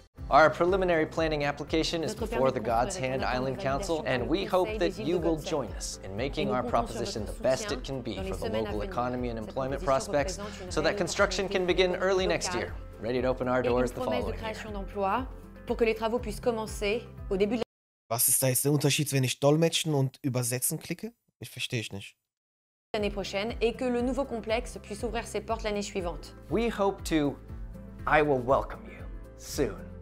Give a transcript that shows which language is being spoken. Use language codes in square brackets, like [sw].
[en] Our preliminary planning application is before the God's Hand Island Council, and we hope that you will join us in making our proposition the best it can be for the local economy and employment prospects so that construction can begin early next year, ready to open our doors the following year. [fr] Pour que les travaux puissent commencer au début de la... [de] Was ist da jetzt der Unterschied, wenn ich dolmetschen und übersetzen klicke? Ich verstehe es nicht. [fr] L'année prochaine et que le nouveau complexe puisse ouvrir ses portes l'année suivante. [en] We hope to I will welcome you soon.